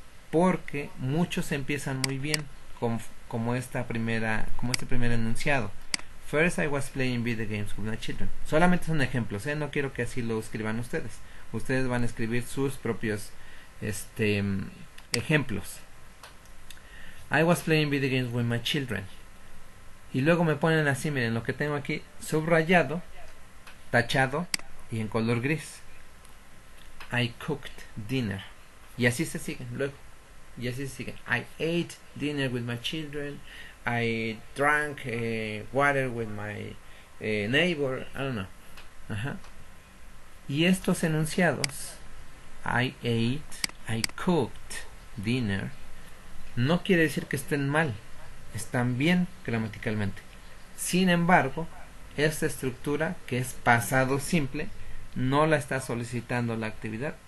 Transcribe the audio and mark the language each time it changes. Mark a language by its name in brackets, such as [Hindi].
[Spanish] Porque muchos empiezan muy bien como esta primera, como este primer enunciado. [English] First I was playing video games with my children. [Spanish] Solamente son ejemplos, no quiero que así lo escriban ustedes. Ustedes van a escribir sus propios ejemplos. [English] I was playing video games with my children. [Spanish] Y luego me ponen así, miren lo que tengo aquí subrayado, tachado y en color gris. [English] I cooked dinner. [Spanish] Y así se siguen luego. Y así sigue. [English] I ate dinner with my children. I drank water with my neighbor. I don't know. [Spanish] Ajá. Y estos enunciados, [English] I ate, I cooked dinner, [Spanish] no quiere decir que estén mal. Están bien gramaticalmente. Sin embargo, esta estructura, que es pasado simple, no la está solicitando la actividad.